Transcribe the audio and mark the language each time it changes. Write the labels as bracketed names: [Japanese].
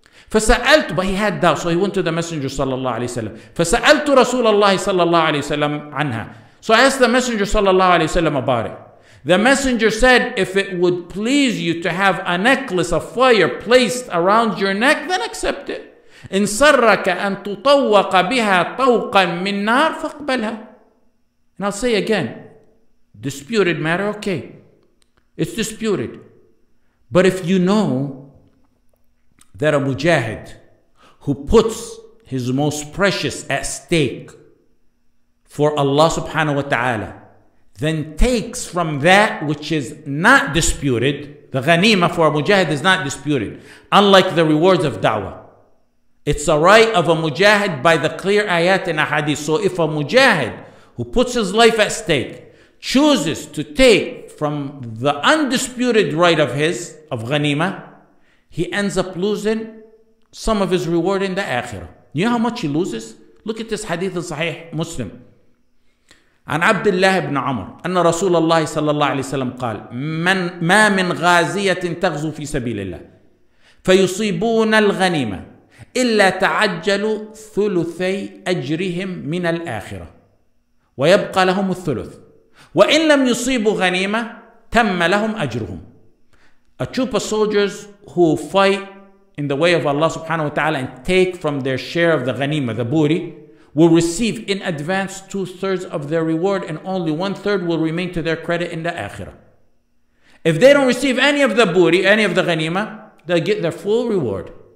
[English] فَسَأَلْتُ, but he had doubt, so he went to the Messenger صلى الله عليه وسلم. [Arabic] فَسَأَلْتُ رَسُولَ اللَّهِ صلى الله عليه وسلم عنها. [English] So I asked the Messenger صلى الله عليه وسلم about it. The Messenger said, "If it would please you to have a necklace of fire placed around your neck, then accept it. [Arabic] إن صرك أن تطوق بها طوقا من نار فاقبلها." [English] And I'll say again, disputed matter, okay. It's disputed. But if you know that a mujahid who puts his most precious at stake for Allah subhanahu wa ta'ala, then takes from that which is not disputed, the ghanima for a mujahid is not disputed, unlike the rewards of da'wah. It's a right of a mujahid by the clear ayat and ahadith. So if a mujahid who puts his life at stake chooses to take from the undisputed right of his, of ghanima, he ends up losing some of his reward in the akhirah. You know how much he loses? Look at this hadith in Sahih Muslim. [Arabic] عن عبد الله بن عمر أن رسول الله صلى الله عليه وسلم قال من ما من غازية تغزو في سبيل الله فيصيبون الغنيمة إلا تعجلوا ثلثي أجرهم من الآخرة ويبقى لهم الثلث وإن لم يصيبوا غنيمة تم لهم أجرهم. [English] A troop of soldiers who fight in the way of Allah subhanahu wa ta'ala and take from their share of the ghanima, the booty, will receive in advance 2/3 of their reward, and only 1/3 will remain to their credit in the akhirah. If they don't receive any of the booty, any of the ghanima, they'll get their full reward.